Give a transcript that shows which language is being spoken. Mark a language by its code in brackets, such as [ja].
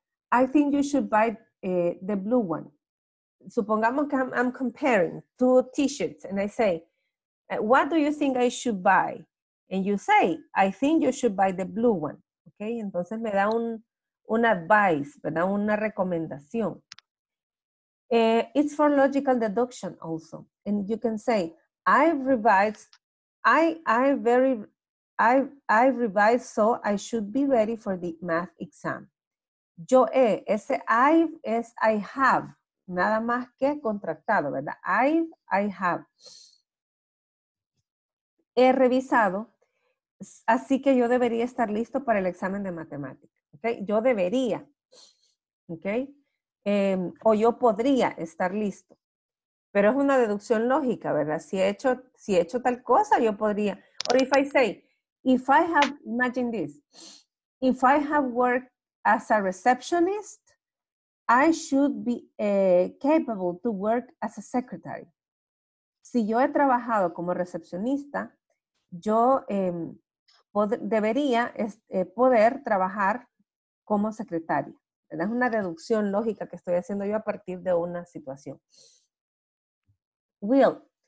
[en] I think you should buy the blue one. [es] Supongamos que [en] I'm comparing two t-shirts and I say, what do you think I should buy? And you say, I think you should buy the blue one. [es] Okay, entonces me da un advice, me da una recomendación. [en] It's for logical deduction also. And you can say, I've revised so I should be ready for the math exam. [es] Yo he, ese I've es I have, nada más que contractado, ¿verdad? [en] I have. [es] He revisado, así que yo debería estar listo para el examen de matemática, ¿ok? Yo debería, ¿ok? O yo podría estar listo. Pero es una deducción lógica, ¿verdad? Si he hecho tal cosa, yo podría. [en] Or if I say, if I have, imagine this, if I have worked as a receptionist, I should be capable to work as a secretary. [es] Si yo he trabajado como recepcionista, yo debería poder trabajar como secretaria. Es una deducción lógica que estoy haciendo yo a partir de una situación. Will.